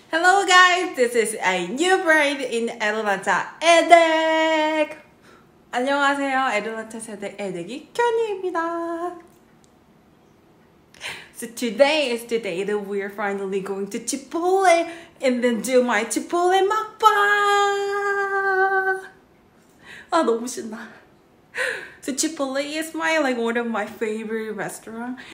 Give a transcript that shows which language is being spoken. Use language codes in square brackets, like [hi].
[en] Hello guys, this is a new braid in Atlanta, 애댁! [ko] 안녕하세요, 애틀란타 세댁 애댁이 켜니입니다. [en] So today is the day that we are finally going to Chipotle and then do my Chipotle Mukbang! [ko] 아, 너무 신나. [en] So Chipotle is my like one of my favorite restaurants.